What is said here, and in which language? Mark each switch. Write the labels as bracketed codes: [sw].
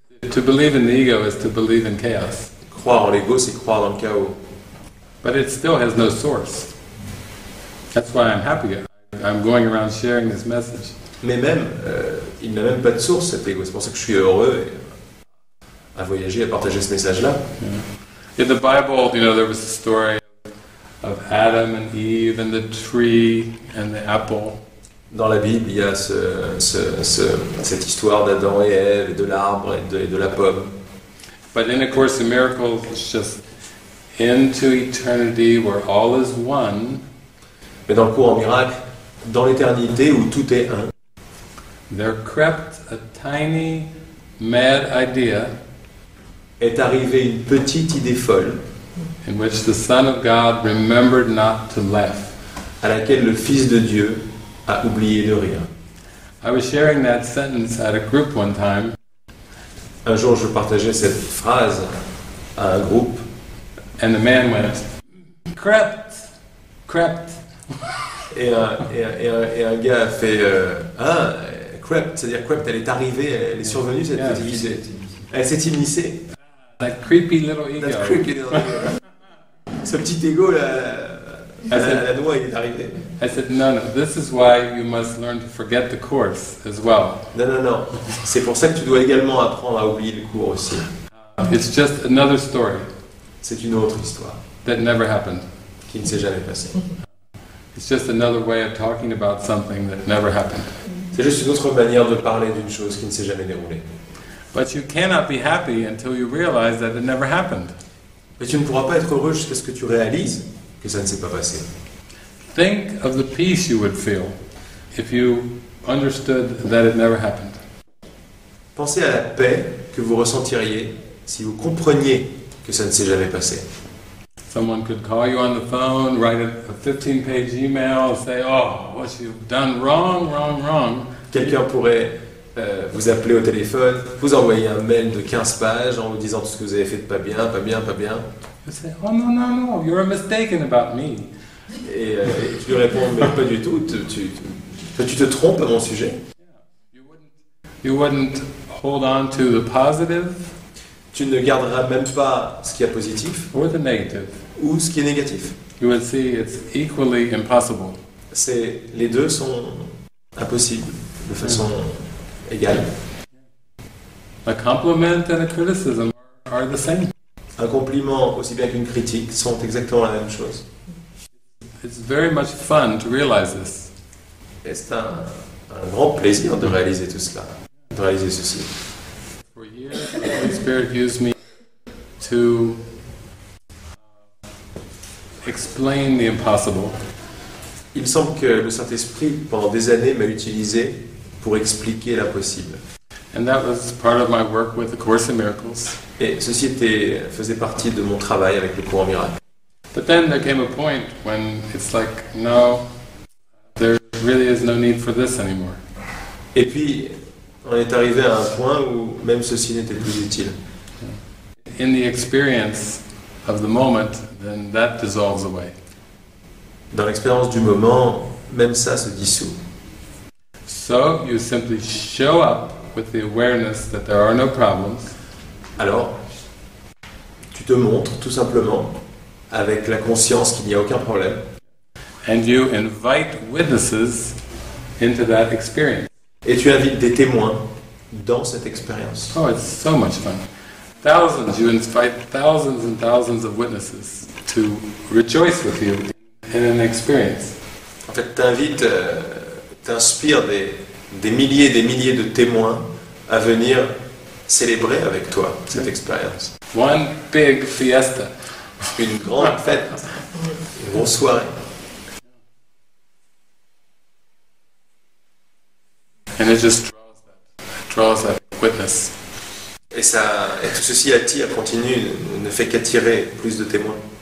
[en] To believe in the ego is to believe in chaos. [fr] Croire en l'ego, c'est croire dans le chaos. [en] But it still has no source. That's why I'm happy. I'm going around sharing this message. [fr] Mais même, il n'a même pas de source cet ego. C'est pour ça que je suis heureux à voyager, à partager ce message-là. [en] Yeah. In the Bible, you know, there was a story of Adam and Eve and the tree and the apple. [fr] Dans la Bible, il y a cette histoire d'Adam et Ève, et de l'arbre et de la pomme. [en] But in A Course in Miracles, it's just into eternity where all is one. [fr] Mais dans le cours en miracle, dans l'éternité où tout est un. [en] There crept a tiny mad idea. [fr] Est arrivée une petite idée folle. [en] In which the Son of God remembered not to laugh. [fr] À laquelle le Fils de Dieu a oublié de rire. [en] I was sharing that sentence at a group one time. [fr] Un jour, je partageais cette phrase à un groupe. [en] And the man went, crept, crept. [fr] Et un gars a fait, crept, c'est-à-dire crept, elle est arrivée, elle est survenue, cette petite idée. Elle s'est immiscée. [en] That creepy little ego. That creepy little ego. [fr] Ce petit ego là. [en] I said, no, no, this is why you must learn to forget the course as well. [fr] Non, non, non. C'est pour ça que tu dois également apprendre à oublier le cours aussi. [en] It's just another story. [fr] C'est une autre histoire. [en] That never happened. [fr] Qui ne s'est jamais passé. [en] It's just another way of talking about something that never happened. [fr] C'est juste une autre manière de parler d'une chose qui ne s'est jamais déroulée. [en] But you cannot be happy until you realize that it never happened. [fr] Mais tu ne pourras pas être heureux jusqu'à ce que tu réalises que ça ne s'est pas passé. [en] Think of the peace you would feel if you understood that it never happened. [fr] Pensez à la paix que vous ressentiriez si vous compreniez que ça ne s'est jamais passé. [en] Someone could call you on the phone, write a 15-page email, say, oh, what you've done wrong, wrong, wrong. [fr] Quelqu'un pourrait vous appeler au téléphone, vous envoyer un mail de 15 pages en vous disant tout ce que vous avez fait de pas bien, pas bien, pas bien. [en] You say, oh, no, no, no, you're mistaken about me. [fr] Et tu lui réponds, mais pas du tout, tu te trompes à mon sujet. [en] You wouldn't hold on to the positive. [fr] Tu ne garderas même pas ce qui est positif. [en] Or the negative. [fr] Ou ce qui est négatif. [en] You would see it's equally impossible. [fr] C'est les deux sont impossibles de façon égale. [en] A compliment and a criticism are the same. [fr] Un compliment aussi bien qu'une critique sont exactement la même chose. [en] It's very much fun to realize this. [fr] Et c'est un grand plaisir de réaliser tout cela. De réaliser ceci. [en] For years, the Holy Spirit used me to explain the impossible. [fr] Il semble que le Saint-Esprit, pendant des années, m'a utilisé pour expliquer l'impossible. [en] And that was part of my work with the Course in Miracles. [fr] Et ceci faisait partie de mon travail avec le Cours en Miracles. [en] But then there came a point when it's like, no, there really is no need for this anymore. [fr] Et puis, on est arrivé à un point où même ceci n'était plus utile. [en] In the experience of the moment, then that dissolves away. [fr] Dans l'expérience du moment, même ça se dissout. [en] So you simply show up with the awareness that there are no problems. [fr] Alors, tu te montres tout simplement avec la conscience qu'il n'y a aucun problème. [en] And you invite witnesses into that experience. [fr] Et tu invites des témoins dans cette expérience. [en] Oh, it's so much fun. Thousands, you invite thousands and thousands of witnesses to rejoice with you in an experience. [fr] En fait, t'inspires des milliers de témoins à venir célébrer avec toi cette expérience. [en] One big fiesta. [fr] Une grande fête. Une grosse soirée. [en] And it just draws that witness. [fr] Et tout ceci attire, continue, ne fait qu'attirer plus de témoins.